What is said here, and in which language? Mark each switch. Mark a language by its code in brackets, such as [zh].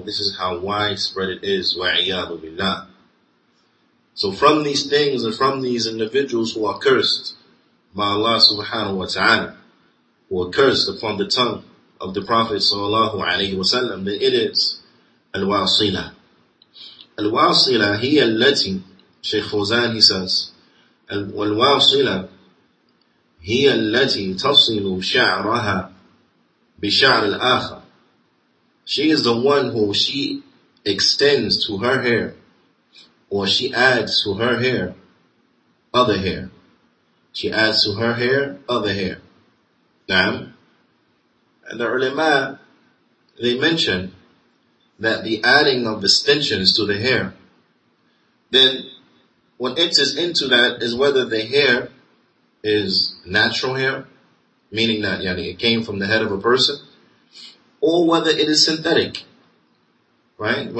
[en] This is how widespread it is. [ar] وَعِيَادُ بِاللَّهِ. [en] So from these things and from these individuals who are cursed by Allah subhanahu wa ta'ala, who are cursed upon the tongue of the Prophet sallallahu alayhi wa sallam, then it is الواصلة. [ar] الواصلة هي التي, [en] Sheikh Fawzan, he says, [ar] الواصلة هي التي تصل شعرها بشعر الآخر. [en] She is the one who she extends to her hair, or she adds to her hair other hair. She adds to her hair other hair. [ar] نعم. [en] And the ulama, they mention that the adding of extensions to the hair, then what enters into that is whether the hair is natural hair, meaning that yani it came from the head of a person, or whether it is synthetic, right?